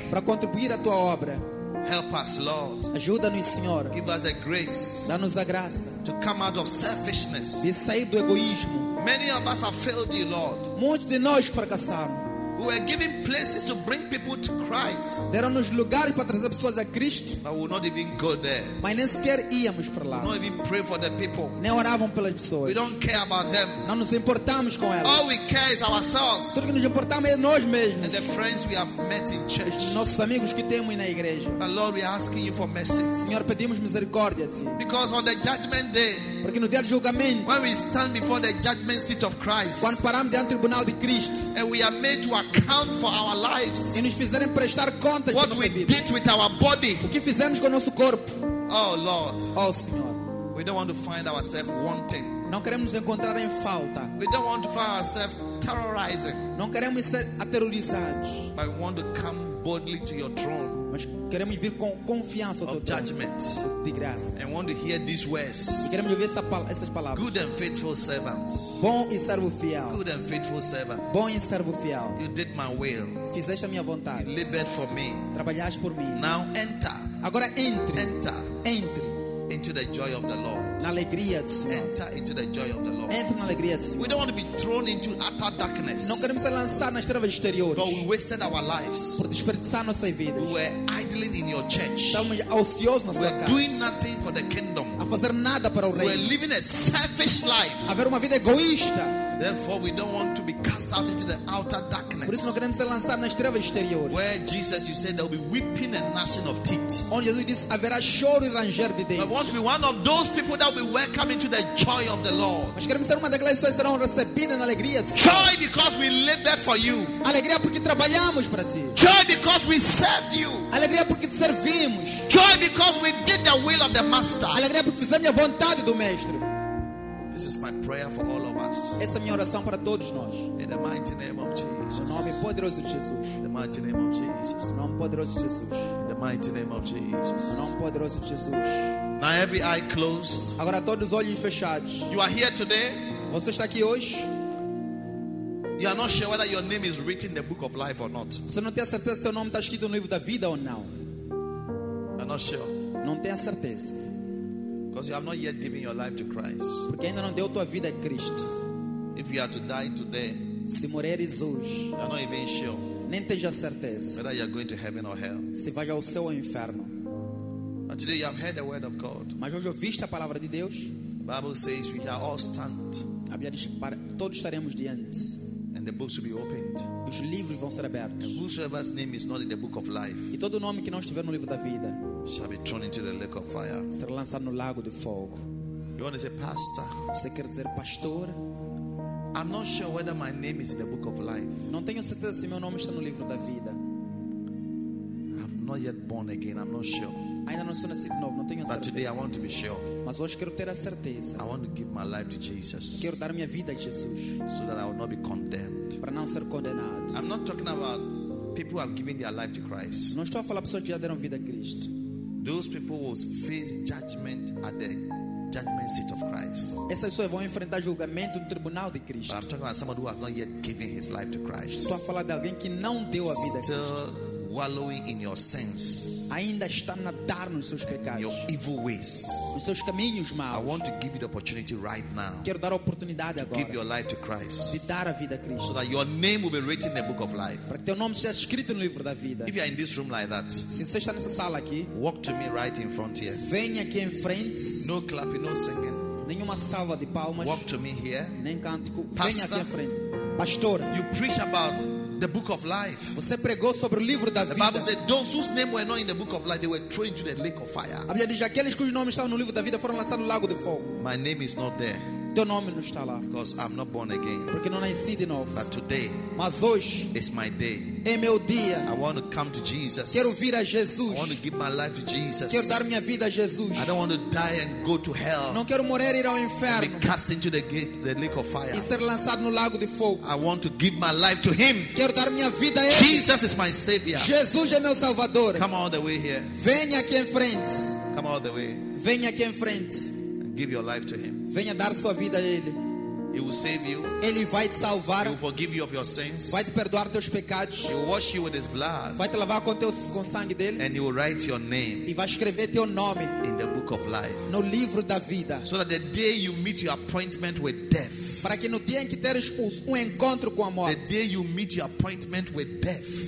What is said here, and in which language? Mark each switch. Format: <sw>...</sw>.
<pt>Para contribuir à tua obra.</pt> <en>Help us, Lord.</en> <pt>Ajuda-nos, Senhor.</pt> <en>Give us a grace.</en> <pt>Dá-nos a graça.</pt> <en>To come out of selfishness.</en> <pt>De sair do egoísmo.</pt> <en>Many of us have failed you, Lord.</en> <pt>Muitos de nós fracassaram.</pt> <en>We were given places to bring people to Christ.</en> <pt>Deram-nos lugares para trazer pessoas a Cristo.</pt> <en>But we'll not even go there.</en> <pt>Mas nem sequer íamos para lá.</pt> <en>We don't even pray for the people.</en> <pt>Nem oravam pelas pessoas.</pt> <en>We don't care about them.</en> <pt>Não nos importamos com elas.</pt> <en>All we care is ourselves.</en> <pt>Tudo que nos importamos é nós mesmos.</pt> <en>And the friends we have met in church.</en> <pt>Nossos amigos que temos na igreja.</pt> <en>But Lord, we are asking you for mercy.</en> <pt>Senhor, pedimos misericórdia a ti.</pt> <en>Because on the judgment day.</en> <pt>Porque no dia do julgamento.</pt> <en>When we stand before the judgment seat of Christ.</en> <pt>Quando paramos diante do tribunal de Cristo.</pt> <en>And we are made to account for our lives.</en> <pt>E nos fizerem prestar contas.</pt> <en>What we did with our body.</en> <pt>O que fizemos com o nosso corpo.</pt> <en>Oh Lord.</en> <pt>Oh Senhor.</pt> <en>We don't want to find ourselves wanting.</en> <pt>Não queremos nos encontrar em falta.</pt> <en>We don't want to find ourselves terrorizing.</en> <pt>Não queremos ser aterrorizados.</pt> <en>But we want to come boldly to your throne.</en> <pt>Mas queremos vir com confiança ao teu trono de graça.</pt> <en>And want to hear these words.</en> <pt>E queremos ouvir essas palavras.</pt> <en>Good and faithful servant.</en> <pt>Bom e servo fiel.</pt> <en>Good and faithful servant.</en> <pt>Bom e servo fiel.</pt> <en>You did my will.</en> <pt>Fizeste a minha vontade.</pt> <en>You labored for me.</en> <pt>Trabalhaste por mim.</pt> <en>Now enter.</en> <pt>Agora entre.</pt> <en>Enter.</en> <pt>Entre.</pt> <en>Into the joy of the Lord.</en> <pt>Na alegria do Senhor.</pt> <en>Enter into the joy of the Lord.</en> <pt>Entre na alegria do Senhor.</pt> <en>We don't want to be thrown into utter darkness.</en> <pt>Não queremos ser lançados nas trevas exteriores.</pt> <en>But we wasted our lives.</en> <pt>Por desperdiçar nossas vidas.</pt> <en>We were idling in your church.</en> <pt>Estávamos ociosos na sua casa.</pt> <en>We were doing nothing for the kingdom.</en> <pt>A fazer nada para o reino.</pt> <en>We were living a selfish life.</en> <pt>A ver uma vida egoísta.</pt> <en>Therefore, we don't want to be cast out into the outer darkness.</en> <pt>Por isso não queremos ser lançados nas trevas exteriores.</pt> <en>Where Jesus, you said, there will be weeping and gnashing of teeth.</en> <pt>Onde Jesus disse haverá choro e ranger de dentes.</pt> <en>We want to be one of those people that will welcome into the joy of the Lord.</en> <pt>Mas queremos ser uma daquelas pessoas que serão recebidas na alegria.</pt> <en>Joy because we labored for you.</en> <pt>Alegria porque trabalhamos para ti.</pt> <en>Joy because we served you.</en> <pt>Alegria porque te servimos.</pt> <en>Joy because we did the will of the Master.</en> <pt>Alegria porque fizemos a vontade do Mestre.</pt> <en>This is my prayer for all of us.</en> <pt>Esta é minha oração para todos nós.</pt> <en>In the mighty name of Jesus.</en> <pt>No nome poderoso de Jesus.</pt> <en>In the mighty name of Jesus.</en> <pt>No nome poderoso de Jesus.</pt> <en>In the mighty name of Jesus.</en> <pt>No nome poderoso de Jesus.</pt> <en>Now every eye closed.</en> <pt>Agora todos os olhos fechados.</pt> <en>You are here today.</en> <pt>Você está aqui hoje.</pt> <en>You are not sure whether your name is written in the book of life or not.</en> <pt>Você não tem a certeza se teu nome está escrito no livro da vida ou não.</pt> <en>You are not sure.</en> <pt>Não tem a certeza.</pt> <en>Because you have not yet given your life to Christ.</en> <pt>Porque ainda não deu tua vida a Cristo.</pt> <en>If you are to die today,</en> <pt>se morreres hoje,</pt> <en>you are not even sure.</en> <pt>Nem tens a certeza.</pt> <en>Whether you are going to heaven or hell.</en> <pt>Se vai ao céu ou ao inferno.</pt> <en>But today you have heard the word of God.</en> <pt>Mas hoje ouviste a palavra de Deus.</pt> <en>The Bible says we are all stand.</en> <pt>A Bíblia diz que todos estaremos diante.</pt> <en>And the books will be opened.</en> <pt>Os livros vão ser abertos.</pt> <en>And whosoever's name is not in the book of life.</en> <pt>E todo nome que não estiver no livro da vida.</pt> <en>Shall be thrown into the lake of fire.</en> <pt>Será lançado no lago de fogo.</pt> <en>You want to say pastor?</en> <pt>Você quer dizer pastor?</pt> <en>I'm not sure whether my name is in the book of life.</en> <pt>Não tenho certeza se meu nome está no livro da vida.</pt> <en>I've not yet born again. I'm not sure.</en> <pt>Ainda não sou nascido novo, não tenho</pt> <en>But</en> <pt>certeza.</pt> <en>Today I want to be sure.</en> <pt>Mas hoje quero ter a certeza.</pt> <en>I want to give my life to Jesus.</en> <pt>Quero dar minha vida a Jesus.</pt> <en>So that I will not be condemned.</en> <pt>Para não ser condenado.</pt> <en>I'm not talking about people who have given their life to Christ.</en> <pt>Não estou a falar de pessoas que já deram vida a Cristo.</pt> <en>Those people will face judgment at the judgment seat of Christ.</en> <pt>Essas pessoas vão enfrentar julgamento no tribunal de Cristo.</pt> <en>But I'm talking about someone who has not yet given his life to Christ.</en> <pt>Estou a falar de alguém que não deu a vida a Cristo.</pt> <en>Wallowing in your sins,</en> <pt>ainda está a nadar nos seus pecados,</pt> <en>your evil ways,</en> <pt>nos seus caminhos maus.</pt> <en>I want to give you the opportunity right now.</en> <pt>Quero dar a oportunidade</pt> <en>to</en> <pt>agora.</pt> <en>Give your life to Christ.</en> <pt>De dar a vida a Cristo.</pt> <en>So that your name will be written in the book of life.</en> <pt>Para que teu nome seja escrito no livro da vida.</pt> <en>If you are in this room like that,</en> <pt>se você está nessa sala aqui,</pt> <en>walk to me right in front here.</en> <pt>Venha aqui em frente.</pt> <en>No clapping, no singing.</en> <pt>Nenhuma salva de palmas.</pt> <en>Walk to me here.</en> <pt>Nem cântico.</pt> <en>Pastor,</en> <pt>venha aqui em frente. Pastor,</pt> <en>you preach about the book of life.</en> <pt>Você pregou sobre o livro da</pt> <en>the</en> <pt>vida.</pt> <en>The Bible said those whose names were not in the book of life, they were thrown into the lake of fire.</en> <pt>A Bíblia diz aqueles cujos nomes estavam no livro da vida foram lançados no lago de fogo.</pt> <en>My name is not there.</en> <pt>Teu nome não está lá.</pt> <en>Because I'm not born again.</en> <pt>Porque não nasci de novo.</pt> <en>But today,</en> <pt>mas hoje,</pt> <en>is my day.</en> <pt>É meu dia.</pt> <en>I want to come to Jesus.</en> <pt>Quero vir a Jesus.</pt> <en>I want to give my life to Jesus.</en> <pt>Quero dar minha vida a Jesus.</pt> <en>I don't want to die and go to hell.</en> <pt>Não quero morrer e ir ao inferno.</pt> <en>And be cast into the lake of fire.</en> <pt>E ser lançado no lago de fogo.</pt> <en>I want to give my life to Him.</en> <pt>Quero dar minha vida a Ele.</pt> <en>Jesus is my Savior.</en> <pt>Jesus é meu Salvador.</pt> <en>Come all the way here.</en> <pt>Venha aqui em frente.</pt> <en>Come all the way.</en> <pt>Venha aqui em frente.</pt> <en>Give your life to Him.</en> <pt>Venha dar sua vida a Ele.</pt> <en>He will save you.</en> <pt>Ele vai te salvar.</pt> <en>He will forgive you of your sins.</en> <pt>Vai te perdoar teus pecados.</pt> <en>He will wash you with His blood.</en> <pt>Vai te lavar com sangue dele.</pt> <en>And He will write your name.</en> <pt>E vai escrever teu nome.</pt> <en>In the book of life.</en> <pt>No livro da vida.</pt> <en>So that the day you meet your appointment with death.</en> <pt>Para que no dia em que teres encontro com a morte.</pt> <en>The day you meet your appointment with death.</en>